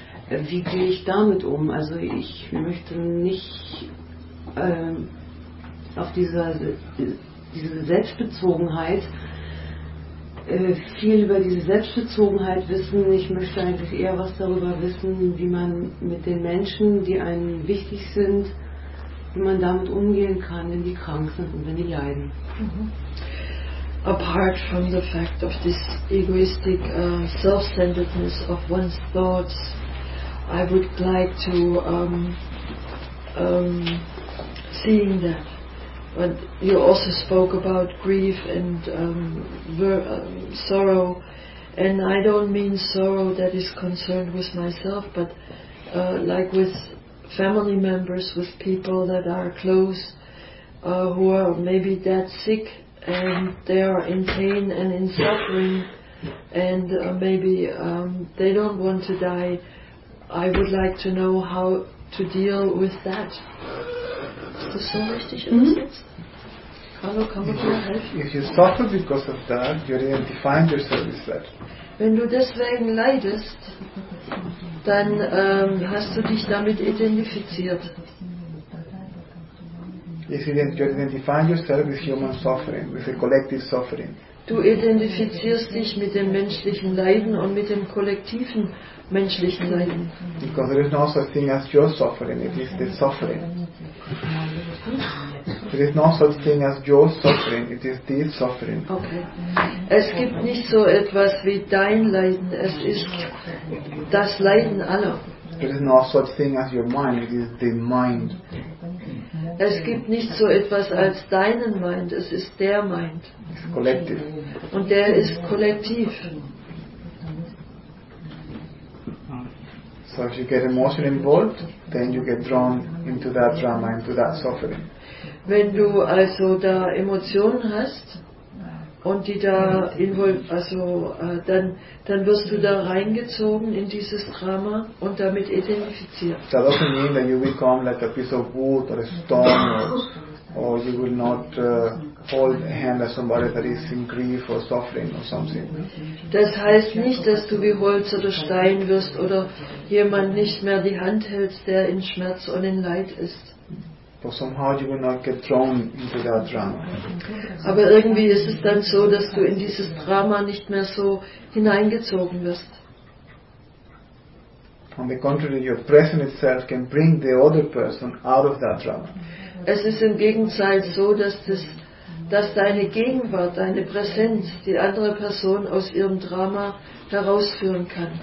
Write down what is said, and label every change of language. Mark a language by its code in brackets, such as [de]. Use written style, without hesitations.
[de] Wie gehe ich damit um? Also ich möchte nicht auf diese Selbstbezogenheit, viel über diese Selbstbezogenheit wissen. Ich möchte eigentlich eher was darüber wissen, wie man mit den Menschen, die einem wichtig sind, wie man damit umgehen kann, wenn die krank sind und wenn die leiden. [en] Apart from the fact of this egoistic self-centeredness of one's thoughts, I would like to seeing that. But you also spoke about grief and sorrow, and I don't mean sorrow that is concerned with myself, but like with family members, with people that are close, who are maybe that sick, and they are in pain and in suffering, and maybe they don't want to die. I would like to know how to deal with that. [de] Ist das so richtig übersetzt? Hallo, kann man dir helfen? [en] If you suffer because of that, you identify yourself with that. [de] Wenn du deswegen leidest, dann hast du dich damit identifiziert. [en] You identify yourself with human suffering, with the collective suffering. [de] Du identifizierst dich mit dem menschlichen Leiden und mit dem kollektiven menschlichen Leiden. [en] Because there is no such thing as your suffering, it is the suffering. There is no such thing as your suffering, it is the suffering. Okay. [de] Es gibt nicht so etwas wie dein Leiden, es ist das Leiden aller. [en] There is no such thing as your mind, it is the mind. [de] Es gibt nicht so etwas als deinen Mind, es ist der Mind. [en] It's collective. [de] Und der ist kollektiv. [en] So if you get emotionally involved, then you get drawn into that drama, into that suffering. [de] Wenn du also da Emotionen hast und die da involviert, also dann wirst du da reingezogen in dieses Drama und damit identifiziert. [en] That doesn't mean that you become like a piece of wood or a stone or you will not hold a hand as somebody that is in grief or suffering or something. [de] Das heißt nicht, dass du wie Holz oder Stein wirst oder jemand nicht mehr die Hand hältst, der in Schmerz und in Leid ist. [en] But somehow you will not get drawn into that drama. [de] Aber irgendwie ist es dann so, dass du in dieses Drama nicht mehr so hineingezogen wirst. [en] On the contrary, your presence itself can bring the other person out of that drama. [de] Es ist im Gegenteil so, dass deine Gegenwart, deine Präsenz, die andere Person aus ihrem Drama herausführen kann.